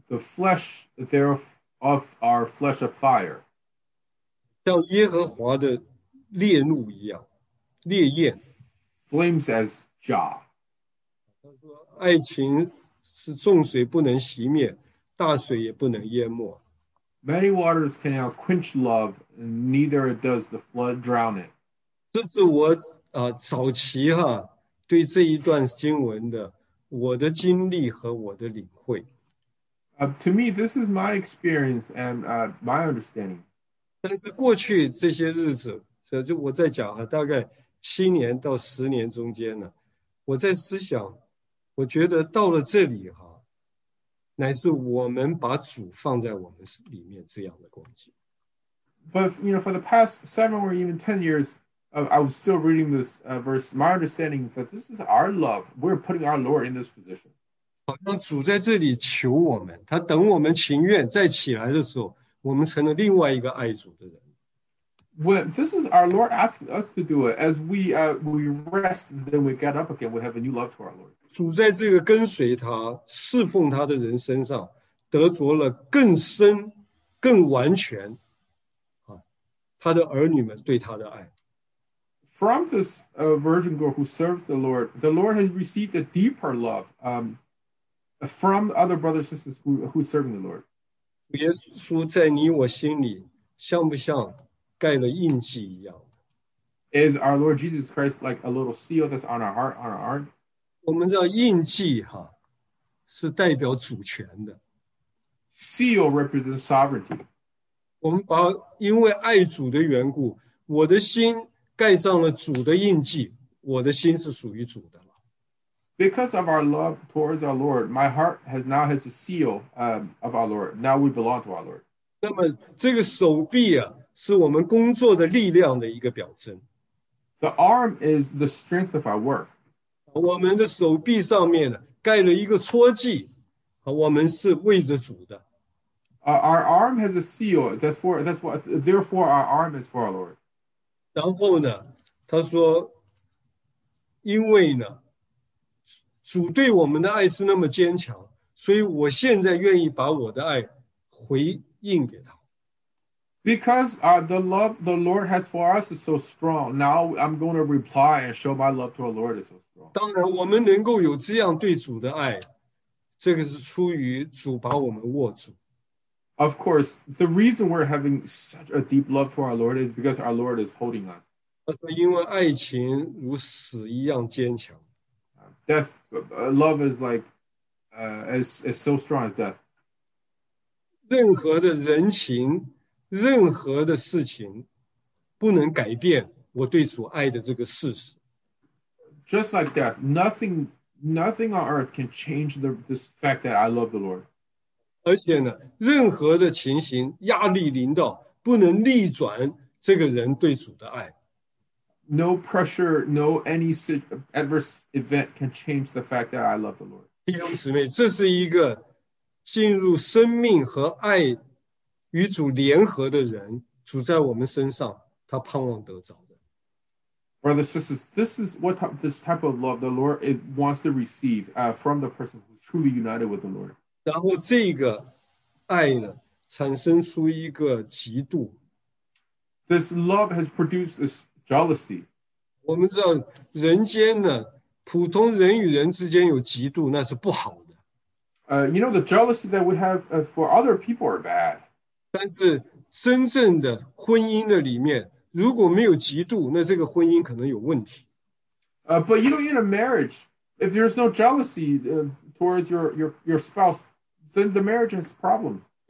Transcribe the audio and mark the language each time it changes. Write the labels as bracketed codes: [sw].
[en] The flesh thereof of our flesh of fire. [zh] 像耶和华的烈怒一样，烈焰。 [en] Flames as jaw. [zh] 他说，爱情是重水不能熄灭，大水也不能淹没。 [en] Many waters can now quench love, and neither does the flood drown it. [zh] 这是我早期哈对这一段经文的我的经历和我的领会。 [en] To me, this is my experience and my understanding. [zh] 但是过去这些日子，就我在讲哈，大概七年到十年中间呢，我在思想，我觉得到了这里哈。乃是我们把主放在我们里面这样的光景。 [en] But you know, for the past 7 or even 10 years, I was still reading this verse. My understanding is that this is our love. We're putting our Lord in this position. [zh] 好像主在这里求我们，他等我们情愿再起来的时候，我们成了另外一个爱主的人。 [en] When this is our Lord asking us to do it, as we rest, then we get up again. We have a new love to our Lord. [zh] 主在这个跟随他、侍奉他的人身上，得着了更深、更完全，他的儿女们对他的爱。 [en] From this virgin girl who serves the Lord has received a deeper love from other brothers and sisters who serve the Lord. [zh] 耶稣在你我心里，像不像？盖了印记一样的。 [en] Is our Lord Jesus Christ like a little seal that's on our heart, on our arm? [zh] 我们知道印记哈，是代表主权的。 [en] Seal represents sovereignty. [zh] 我们把因为爱主的缘故，我的心盖上了主的印记，我的心是属于主的了。 [en] Because of our love towards our Lord, my heart has now has a seal of our Lord. Now we belong to our Lord. [zh] 那么这个手臂啊。是我们工作的力量的一个表征。 [en] The arm is the strength of our work. [zh] 我们的手臂上面盖了一个戳记，我们是为着主的。 [en] Our arm has a seal. Therefore, our arm is for our Lord. [zh] 然后呢，他说，因为呢，主对我们的爱是那么坚强，所以我现在愿意把我的爱回应给他。 [en] Because the love the Lord has for us is so strong, now I'm going to reply and show my love to our Lord is so strong. [zh] 当然，我们能够有这样对主的爱，这个是出于主把我们握住。 [en] Of course, the reason we're having such a deep love for our Lord is because our Lord is holding us. [zh] 他说，因为爱情如死一样坚强。 [en] Death, love is like, is so strong as death. [zh] 任何的人情。任何的事情不能改变我对主爱的这个事实。 [en] Just like death, nothing on earth can change this fact that I love the Lord. [zh] 而且呢，任何的情形压力临到，不能逆转这个人对主的爱。 [en] No pressure, no any adverse event can change the fact that I love the Lord. [zh] 弟兄姊妹，这是一个进入生命和爱。与主联合的人，主在我们身上，他盼望得着的。 [en] Brothers, sisters, this is what this type of love the Lord wants to receive from the person who's truly united with the Lord. [zh] 然后这个爱呢，产生出一个嫉妒。 [en] This love has produced this jealousy. [zh] 我们知道人间呢，普通人与人之间有嫉妒，那是不好的。 [en] You know, the jealousy that we have for other people are bad. [zh] 但是真正的婚姻的里面，如果没有嫉妒，那这个婚姻可能有问题。 [en] But you know, in a marriage, if there's no jealousy towards your spouse, then the marriage has a problem.